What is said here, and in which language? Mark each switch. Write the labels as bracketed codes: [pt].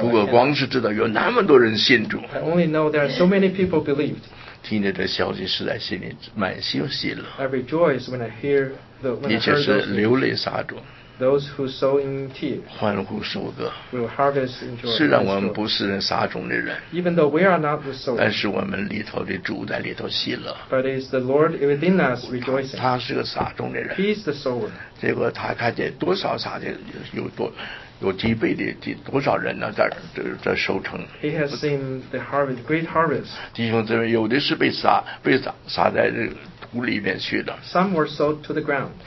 [zh] 不过光是知道有那么多人信主 [en] I only know there are so many people believed [zh] 听着这消息实在心里满心喜乐 [en] I rejoice when I hear the, when [zh] 你却是流泪撒种 [en] those who sow in tears [zh] 欢呼收割 [en] will harvest in joy [zh] 虽然我们不是撒种的人 [en] even though we are not the sower [zh] 但是我们里头的主在里头喜乐 [en] but it is the Lord within us rejoicing [zh] 他是个撒种的人 [en] he is the sower [zh] 结果他看见多少撒的有几倍的多少人呢在收成 [en] He has seen the harvest, great harvest. [zh] 弟兄姊妹有的是被撒在这个土里面去的 [en] Some were sold to the ground.